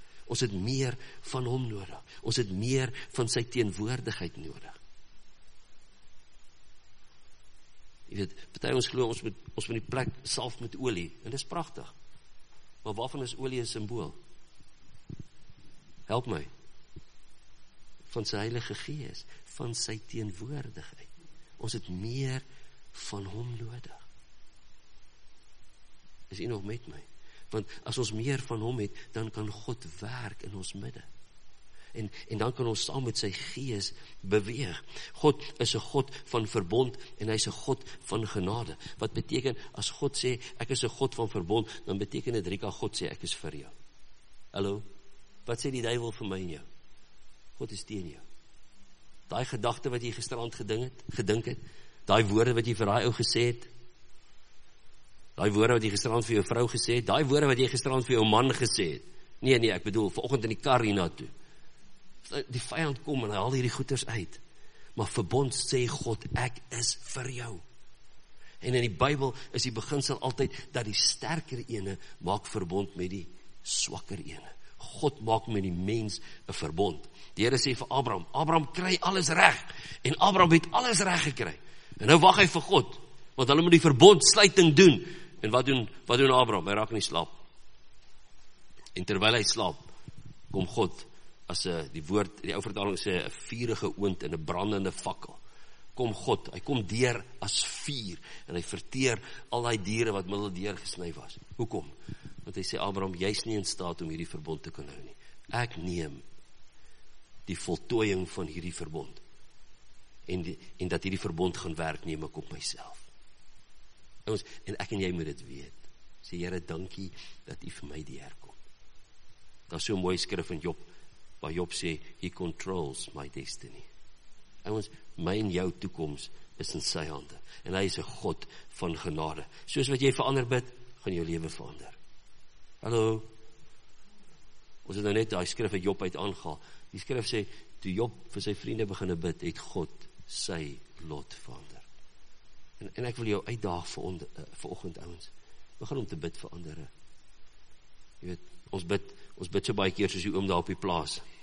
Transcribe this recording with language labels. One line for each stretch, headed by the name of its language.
Afrikaans: Ons het meer van hom nodig, ons het meer van sy teenwoordigheid nodig. Jy weet, partij ons geloof, ons moet die plek salf met olie, en dit is prachtig. Maar waarvan is olie een symbool? Help my. Van sy Heilige Gees, van sy teenwoordigheid. Ons het meer van hom nodig. Is jy nog met my? Want as ons meer van hom het, dan kan God werk in ons midde. En dan kan ons saam met sy gees beweeg. God is 'n God van verbond en hy is 'n God van genade. Wat beteken, as God sê, ek is 'n God van verbond, dan beteken dit, Rika, God sê, ek is vir jou. Hallo, wat sê die duivel vir my en jou? God is teen jou. Daai gedagte wat jy gisterand gedink het, daai woorde wat jy vir daai ou gesê het, daai woorde wat jy gisterand vir jou vrou gesê het, daai woorde wat jy gisterand vir jou man gesê het, nee, ek bedoel, vanoggend in die kar hier na toe, die vijand kom en hy haal hierdie goeders uit, maar verbond sê God, ek is vir jou. En in die Bybel is die beginsel altyd, dat die sterker ene maak verbond met die swakker ene. God maak met die mens een verbond. Die Here sê vir Abraham kry alles reg, en Abraham het alles reg gekry, en nou wag hy vir God, want hulle moet die verbondsluiting doen. En wat doen Abraham? Hy raak nie slaap. En terwyl hy slaap, kom God as die woord, die ou vertaling sê, 'n vuurige oond en 'n brandende fakkel. Kom God, hy kom deur as vuur en hy verteer al die diere wat middel deur gesny was. Hoekom? Want hy sê, Abraham, jy is nie in staat om hierdie verbond te kan hou nie. Ek neem die voltooiing van hierdie verbond en dat hierdie verbond gaan werk, neem ek op myself. En ek en jy moet dit weet. Sê, Here, dankie dat u vir my die herkom. Dat is so'n mooie skrif in Job, waar Job sê,
English: he controls my destiny.
Afrikaans: Ons, my en jou toekoms is in sy hande, en hy is 'n God van genade. Soos wat jy verander bid, gaan jou lewe verander. Hallo, ons het nou net die skrif uit Job uit aangehaal. Die skrif sê, toe Job vir sy vriende beginne bid, het God sy lot verander. En ek wil jou uitdaag vir oggend, ouens, begin om te bid vir ander. Jy weet, ons bid so baie keer soos die oom daar op die plaas.